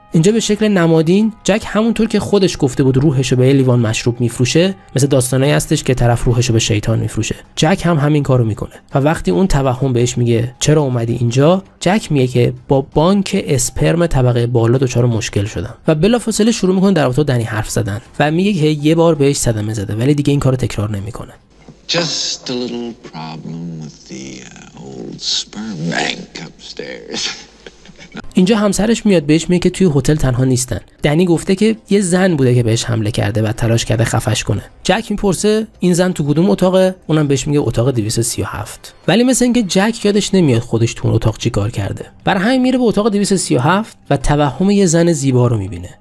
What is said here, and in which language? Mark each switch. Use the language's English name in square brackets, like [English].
[Persian] اینجا به شکل نمادین جک همونطور که خودش گفته بود روحشو به لیوان مشروب میفروشه، مثل داستانی هستش که طرف روحشو به شیطان میفروشه، جک هم همین کارو میکنه. و وقتی اون توهم بهش میگه چرا اومدی اینجا، جک میگه که با بانک اسپرم طبقه بالا دچار مشکل شدم. و بلافاصله شروع میکنه در رابطه دنی حرف زدن و میگه که یه بار بهش صدمه زده ولی دیگه این کارو تکرار نمیکنه. [English] Just a little problem with the old sperm bank upstairs. [Persian] اینجا همسرش میاد بهش میگه که توی هتل تنها نیستن. دنی گفته که یه زن بوده که بهش حمله کرده و تلاش کرده خفش کنه. جک میپرسه این زن تو کدوم اتاقه؟ اونم بهش میگه اتاق 237. ولی مثل اینکه جک یادش نمیاد خودش تو اون اتاق چیکار کرده. بر همین میره به اتاق 237 و توهم یه زن زیبا رو میبینه.